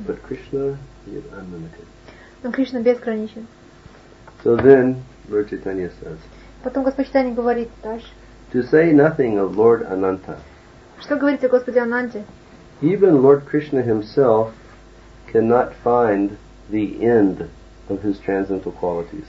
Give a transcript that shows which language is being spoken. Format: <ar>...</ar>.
<en>But Krishna is unlimited.</en> <ru>Но Кришна безграничен.</ru> <en>So then, Lord Chaitanya says.</en> <ru>Потом Господь Чайтанья говорит дальше.</ru> <en>To say nothing of Lord Ananta.</en> <ru>Что говорить о Господе Ананте?</ru> <en>Even Lord Krishna himself cannot find the end of his transcendental qualities.</en>